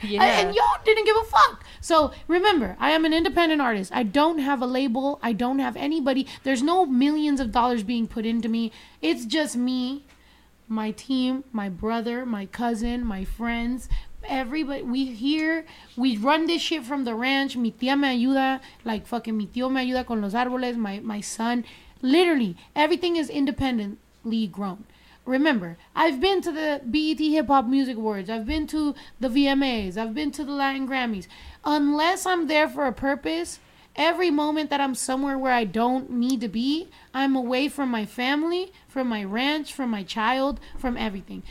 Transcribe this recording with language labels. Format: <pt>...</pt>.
<en>Yeah. And y'all didn't give a fuck. So remember, I am an independent artist. I don't have a label. I don't have anybody. There's no millions of dollars being put into me. It's just me, my team, my brother, my cousin, my friends. Everybody, we run this shit from the ranch.</en> <es>Mi tía me ayuda,</es> <en>like fucking</en> <es>mi tío me ayuda con los árboles.</es> <en>My son, literally everything is independently grown. Remember, I've been to the BET Hip Hop Music Awards. I've been to the VMAs. I've been to the Latin Grammys. Unless I'm there for a purpose, every moment that I'm somewhere where I don't need to be, I'm away from my family, from my ranch, from my child, from everything.</en>